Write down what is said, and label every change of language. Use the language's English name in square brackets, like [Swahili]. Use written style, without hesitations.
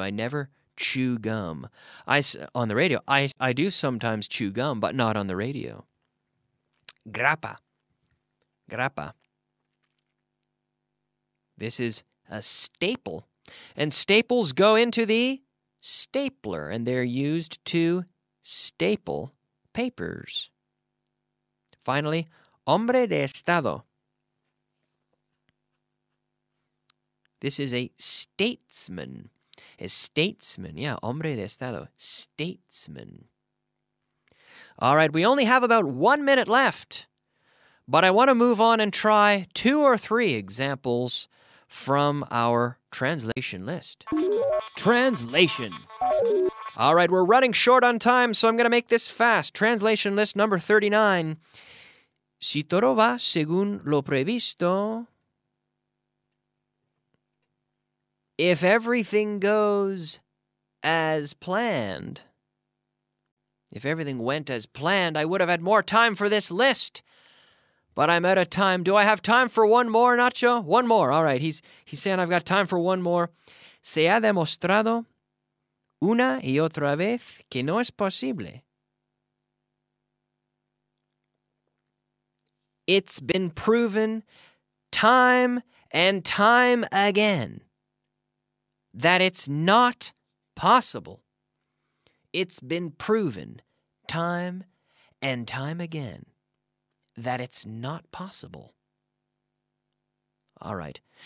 [English] I never chew gum. I do sometimes chew gum, but not on the radio. Grappa. Grappa. This is a staple. And staples go into the stapler, and they're used to staple papers. Finally, [Spanish] hombre de estado. [English] This is a statesman. A statesman, yeah, [Spanish] hombre de estado, [English] statesman. All right, we only have about 1 minute left, but I want to move on and try two or three examples from our translation list. Translation. All right, we're running short on time, so I'm going to make this fast. Translation list number 39. [Spanish] Si todo va según lo previsto. [English] If everything goes as planned. If everything went as planned, I would have had more time for this list. But I'm out of time. Do I have time for one more, Nacho? One more. All right. He's saying I've got time for one more. [Spanish] Se ha demostrado una y otra vez que no es posible. [English] It's been proven time and time again that it's not possible. It's been proven time and time again that it's not possible. All right.